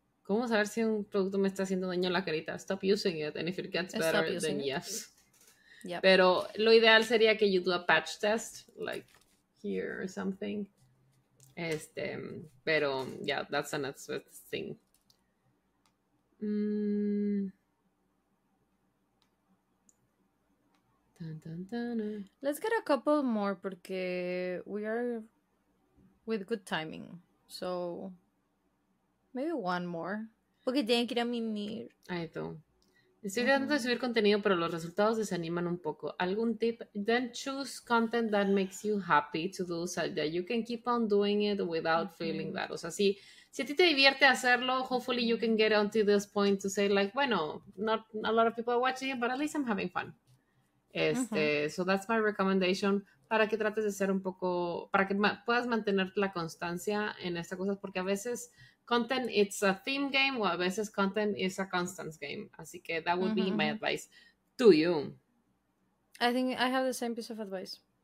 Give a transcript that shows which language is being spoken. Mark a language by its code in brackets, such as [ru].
[es] ¿Cómo saber si un producto me está haciendo daño a la carita? [en] Stop using it, and if it gets better, then it. Yes. Yep. [es] Pero lo ideal sería que [en] you do a patch test, like here or something. [es] Este, pero, [en] yeah, that's an expert thing. Dun, dun, dun, Let's get a couple more, [es] porque [en] we are with good timing, so... Maybe one more. [es] Porque tienen que ir a mimir. Ay, tú. Estoy tratando de subir contenido, pero los resultados desaniman un poco. ¿Algún tip? [en] Then choose content that makes you happy to do, so that you can keep on doing it without feeling that. [es] O sea, si a ti te divierte hacerlo, [en] hopefully you can get onto this point to say, like, bueno, not a lot of people are watching it, but at least I'm having fun. [es] Este, [en] so that's my recommendation. [es] Para que trates de ser un poco... Para que puedas mantener la constancia en estas cosas, porque a veces... [en] Content, it's a theme game, or [es] a veces [en] content is a constant game. [es] Así que [en] that would be my advice to you. I think I have the same piece of advice.